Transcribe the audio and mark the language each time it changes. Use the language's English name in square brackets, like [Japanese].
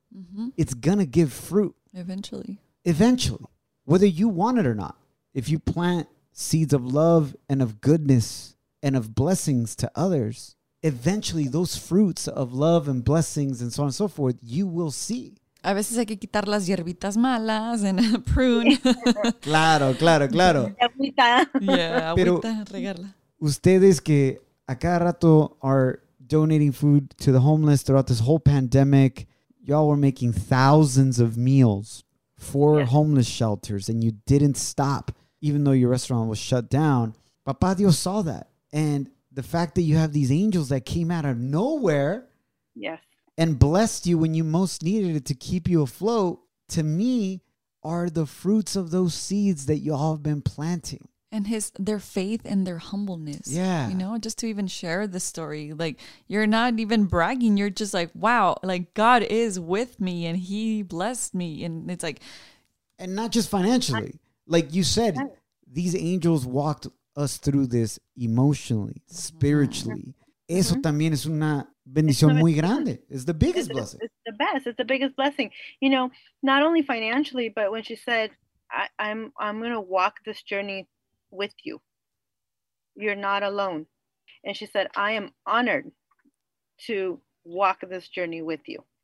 [English] Mm-hmm. It's going to give fruit. Eventually. Whether you want it or not. If you plant seeds of love and of goodness and of blessings to others, eventually those fruits of love and blessings and so on and so forth, you will see. [Spanish] A veces hay que quitar las hierbitas malas and prune. Claro. Agüita. Pero, agüita, regarla. [English] Ustedes que a cada rato are donating food to the homeless throughout this whole pandemic, y'all were making thousands of meals for homeless shelters and you didn't stop even though your restaurant was shut down. Papá Dios saw that. And the fact that you have these angels that came out of nowhere and blessed you when you most needed it to keep you afloat, to me, are the fruits of those seeds that y'all have been planting. And their faith and their humbleness. Yeah. You know, just to even share the story. Like, you're not even bragging. You're just like, wow, like, God is with me and he blessed me. And it's like. And not just financially. Like you said, these angels walked us through this emotionally, spiritually. Mm-hmm. [Spanish] Eso también es una bendición muy grande. [English] It's the biggest blessing. It's the best. It's the biggest blessing. You know, not only financially, but when she said, I'm going to walk this journey with you. You're not alone. And she said, I am honored to walk this journey with you.